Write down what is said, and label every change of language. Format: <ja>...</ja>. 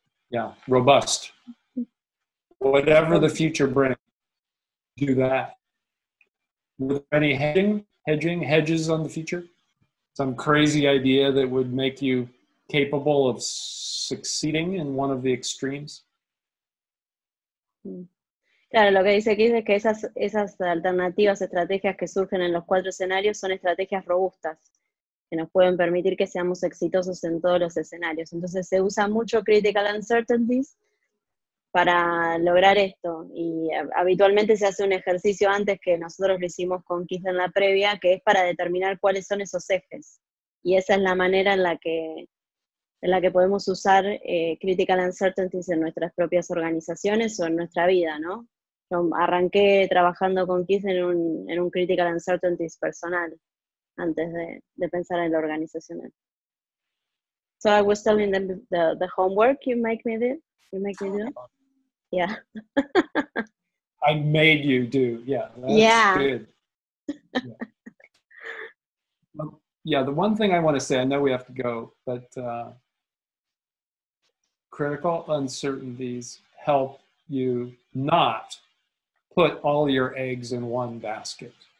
<en>yeah, robust. Whatever the future brings, do that. Were there any hedges on the future? Some crazy idea that would make you capable of succeeding in one of the extremes?</en> <es>Claro, lo que dice aquí es que esas alternativas, estrategias que surgen en los 4 escenarios son estrategias robustas que nos pueden permitir que seamos exitosos en todos los escenarios. Entonces se usa mucho Critical Uncertainties para lograr esto, y habitualmente se hace un ejercicio antes que nosotros lo hicimos con Keith en la previa, que es para determinar cuáles son esos ejes, y esa es la manera en la que podemos usar Critical Uncertainties en nuestras propias organizaciones o en nuestra vida, ¿no? Yo arranqué trabajando con Keith en un Critical Uncertainties personal antes de pensar en lo organizacional.</es> <en>So I was telling them the homework you make me do. Yeah. I made you do. Yeah. That's good. Yeah. Yeah, the one thing I want to say, I know we have to go, but Critical Uncertainties help you not put all your eggs in one basket.</en>